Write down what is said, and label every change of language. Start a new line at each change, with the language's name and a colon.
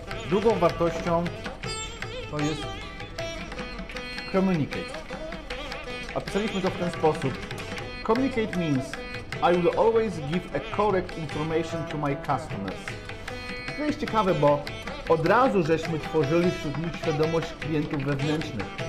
Polish: Drugą wartością to jest communicate. Opisaliśmy to w ten sposób.
English: Communicate means I will always give a correct information to my customers.
Polish: To jest ciekawe, bo od razu żeśmy tworzyli wśród nich świadomość klientów wewnętrznych.